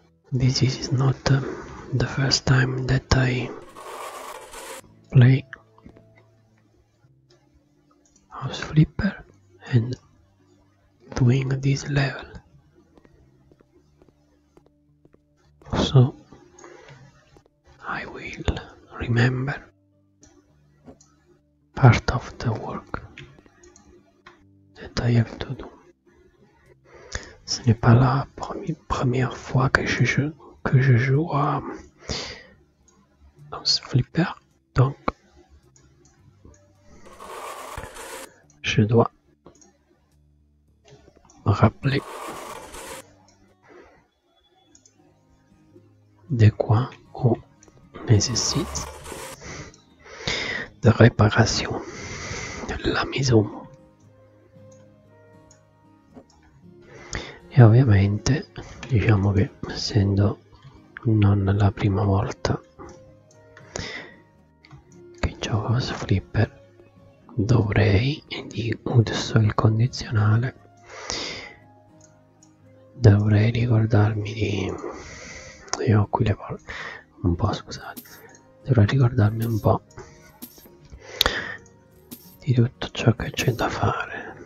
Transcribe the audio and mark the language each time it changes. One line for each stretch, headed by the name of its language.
English: This is not the first time that I play House Flipper and doing this level. So I will remember part of the work that I have to do.
French: Ce n'est pas la première fois que je joue à House Flipper, donc je dois me rappeler de quoi on nécessite de réparation de la maison.
Italian: E ovviamente, diciamo che essendo non la prima volta che gioco a Flipper, dovrei, e uso il condizionale, dovrei ricordarmi di, io ho qui le parole un po', scusate, dovrei ricordarmi un po' di tutto ciò che c'è da fare.